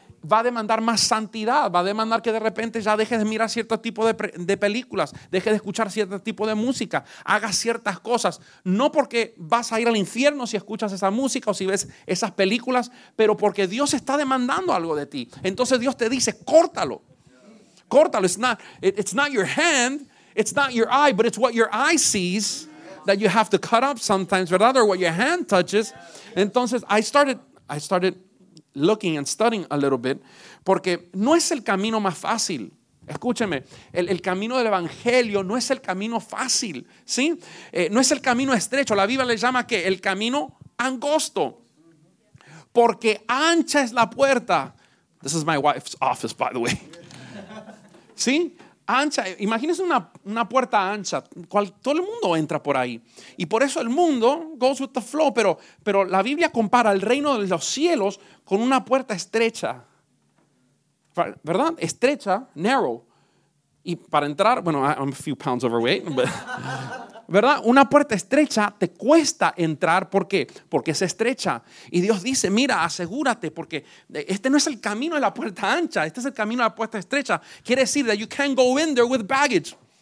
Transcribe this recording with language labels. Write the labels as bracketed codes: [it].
[es] Va a demandar más santidad, va a demandar que de repente ya dejes de mirar cierto tipo de películas, dejes de escuchar cierto tipo de música, hagas ciertas cosas. No porque vas a ir al infierno si escuchas esa música o si ves esas películas, pero porque Dios está demandando algo de ti. Entonces Dios te dice, córtalo, córtalo. [en] It's not your hand, it's not your eye, but it's what your eye sees that you have to cut up sometimes, ¿verdad? Or what your hand touches. Entonces I started looking and studying a little bit, [es] porque no es el camino más fácil. Escúcheme, el camino del evangelio no es el camino fácil, ¿sí? No es el camino estrecho. La Biblia le llama que el camino angosto, porque ancha es la puerta. [en] This is my wife's office, by the way. [es] ¿Sí? Ancha. Imagínese una puerta ancha. Todo el mundo entra por ahí. Y por eso el mundo [en] goes with the flow. [es] Pero la Biblia compara el reino de los cielos con una puerta estrecha. ¿Verdad? Estrecha, narrow. Y para entrar, bueno, [en] I'm a few pounds overweight. [es] But, ¿verdad? Una puerta estrecha te cuesta entrar. ¿Por qué? Porque es estrecha. Y Dios dice, mira, asegúrate, porque este no es el camino de la puerta ancha, este es el camino de la puerta estrecha. Quiere decir [en] that you can't go in there with baggage.